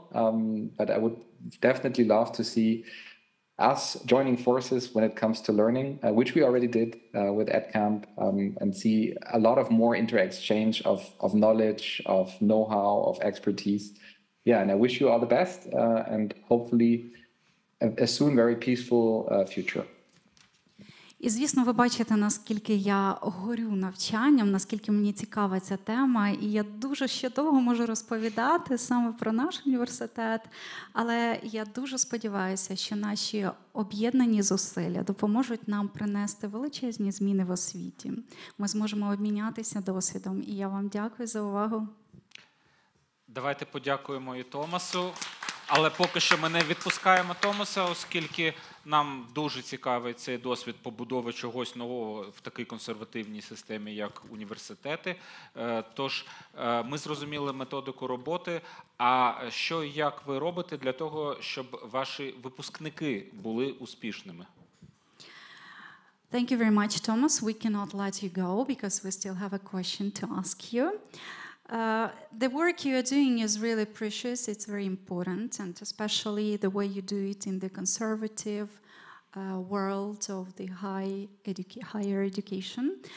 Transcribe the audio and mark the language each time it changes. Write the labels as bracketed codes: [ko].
[en] But I would definitely love to see us joining forces when it comes to learning, which we already did with EdCamp, and see a lot of more interexchange of knowledge, of know-how, of expertise. Yeah, and I wish you all the best, and hopefully a soon very peaceful future. [uk] І, звісно, ви бачите, наскільки я горю навчанням, наскільки мені цікава ця тема, і я дуже ще довго можу розповідати саме про наш університет, але я дуже сподіваюся, що наші об'єднані зусилля допоможуть нам принести величезні зміни в освіті. Ми зможемо обмінятися досвідом, і я вам дякую за увагу. Давайте подякуємо і Томасу. Але поки що ми не відпускаємо Томаса, оскільки нам дуже цікавий цей досвід побудови чогось нового в такій консервативній системі, як університети. Тож, ми зрозуміли методику роботи, а що і як ви робите для того, щоб ваші випускники були успішними? [en] Thank you very much, Thomas. We cannot let you go, because we still have a question to ask you. The work you are doing is really precious. It's very important, and especially the way you do it in the conservative world of the higher education.